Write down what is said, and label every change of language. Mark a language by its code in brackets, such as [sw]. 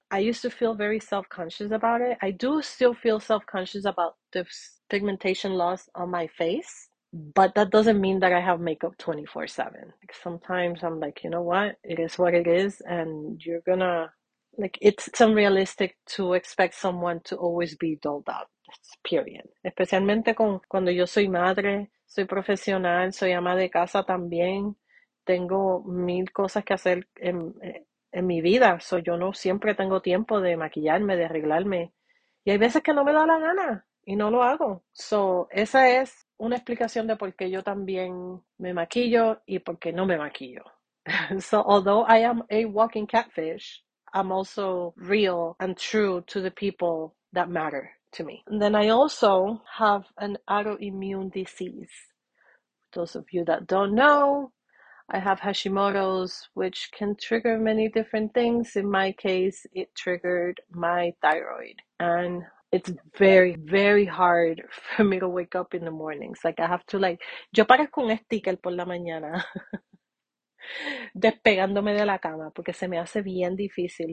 [en] I used to feel very self-conscious about it. I do still feel self-conscious about the pigmentation loss on my face, but that doesn't mean that I have makeup 24/7. Like sometimes I'm like, you know what? It is what it is, and you're gonna like it's unrealistic to expect someone to always be dolled up. Period. [es] Especialmente con cuando yo soy madre, soy profesional, soy ama de casa también, tengo mil cosas que hacer en mi vida, soy yo no siempre tengo tiempo de maquillarme, de arreglarme, y hay veces que no me da la gana. Y no lo hago. So, esa es una explicación de por qué yo también me maquillo y por qué no me maquillo. [en] So, although I am a walking catfish, I'm also real and true to the people that matter to me. And then I also have an autoimmune disease. Those of you that don't know, I have Hashimoto's, which can trigger many different things. In my case, it triggered my thyroid and it's very, very hard for me to wake up in the mornings. Like, I have to, like, [es] yo parezco un sticker por la mañana, despegándome de la cama, porque se me hace bien difícil.